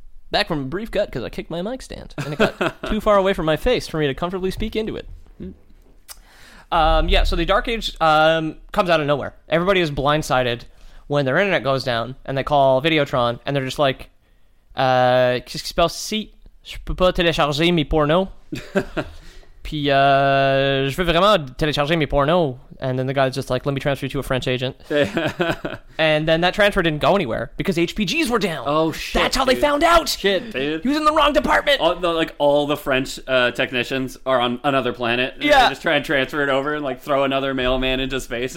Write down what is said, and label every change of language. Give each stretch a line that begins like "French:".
English: Back from a brief cut because I kicked my mic stand. And it got too far away from my face for me to comfortably speak into it. So the Dark Age comes out of nowhere. Everybody is blindsided when their internet goes down and they call Videotron and they're just like, just spell seat.
French: Je peux pas télécharger mes pornos. Puis, je veux vraiment télécharger mes pornos.
English: And then the guy's just like, let me transfer you to a French agent. And then that transfer didn't go anywhere because HPGs were down. Oh, shit. That's how dude. They found out. Shit, dude. He was in the wrong department. All the French technicians are on another planet. Yeah. They just try and transfer it over and like throw another mailman into space.